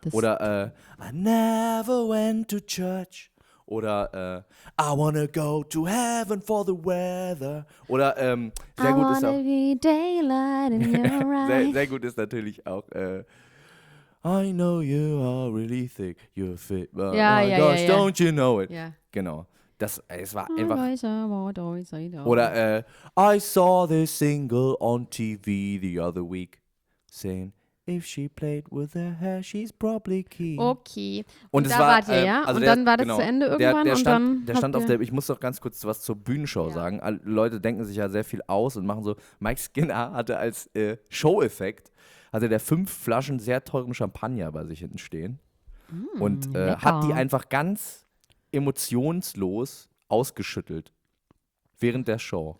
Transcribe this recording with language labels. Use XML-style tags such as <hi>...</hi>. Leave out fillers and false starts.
<en>Oder I never went to church. Oder I wanna go to heaven for the weather.</en> <de>Oder sehr gut ist auch.</de> <en>I wanna be daylight in your eyes.</en> <de>sehr gut ist natürlich auch</de> <en>I know you are really thick. You're fit. But</en> <de>ja,</de> <en>my gosh,</en> <de>ja.</de> <en>Don't you know it?</en> <de>Ja. Genau. Das, es war einfach.</de> <en>Oder I saw this single on TV the other week saying if she played with her hair she's probably keen. Okay.</en> <de>Und da war, wart ihr, ja? Also und der, dann war das genau, zu Ende irgendwann? Der stand, und dann der stand auf der, ich muss doch ganz kurz was zur Bühnenshow ja. sagen. Leute denken sich ja sehr viel aus und machen so, Mike Skinner hatte als Show-Effekt, hatte der 5 Flaschen sehr teuren Champagner bei sich hinten stehen. Mm, und hat die einfach ganz emotionslos ausgeschüttelt während der Show.</de>